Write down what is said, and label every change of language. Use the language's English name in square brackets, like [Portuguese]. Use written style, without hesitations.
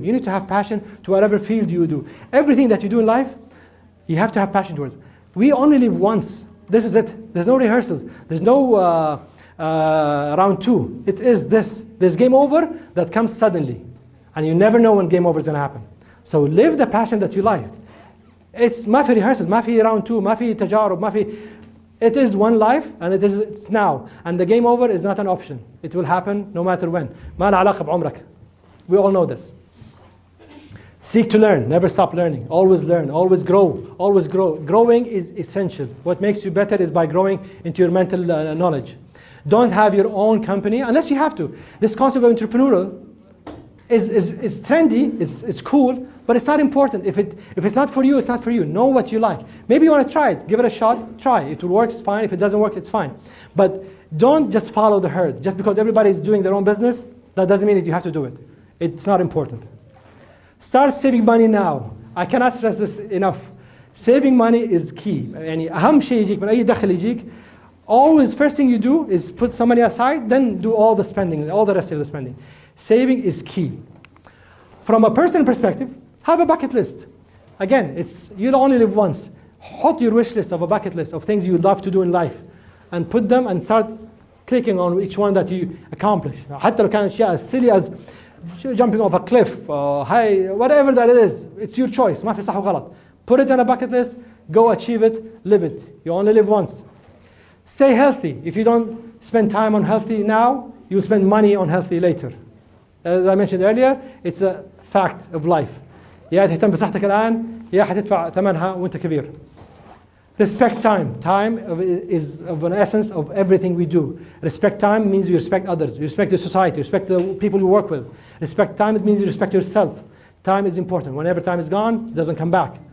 [English] You need to have passion to whatever field you do. Everything that you do in life, you have to have passion towards. We only live once. This is it. There's no rehearsals. There's no round two. It is this. There's game over that comes suddenly. And you never know when game over is going to happen. So live the passion that you like. [Arabic] It's ما في rehearsals, ما في [English] round two, [Arabic] ما في تجارب, ما في. [English] It is one life and it's now. And the game over is not an option. It will happen no matter when. [Arabic] ما له علاقة بعمرك. [English] We all know this. Seek to learn, never stop learning. Always learn, always grow, always grow. Growing is essential. What makes you better is by growing into your mental knowledge. Don't have your own company, unless you have to. This concept of entrepreneurial is trendy, it's cool, but it's not important. If it's not for you, it's not for you. Know what you like. Maybe you want to try it, give it a shot, try. If it works, fine. If it doesn't work, it's fine. But don't just follow the herd. Just because everybody is doing their own business, that doesn't mean that you have to do it. It's not important. Start saving money now. I cannot stress this enough. Saving money is key. [Arabic] يعني أهم شيء يجيك من أي دخل يجيك. [English] Always, first thing you do is put some money aside, then do all the spending, all the rest of the spending. Saving is key. From a personal perspective, have a bucket list. Again, you'll only live once. Put your wish list of a bucket list of things you'd love to do in life, and put them and start clicking on each one that you accomplish. [Arabic] حتى لو كانت أشياء [English] as silly as jumping off a cliff, whatever that it is, it's your choice. [Arabic] ما في صح وغلط. [English] Put it on a bucket list, go achieve it, live it. You only live once. Stay healthy. If you don't spend time on healthy now, you'll spend money on healthy later. As I mentioned earlier, it's a fact of life. [Arabic] يا تهتم بصحتك الآن يا حتدفع ثمنها وانت كبير. [English] Respect time. Time is of an essence of everything we do. Respect time means you respect others. You respect the society. You respect the people you work with. Respect time, it means you respect yourself. Time is important. Whenever time is gone, it doesn't come back.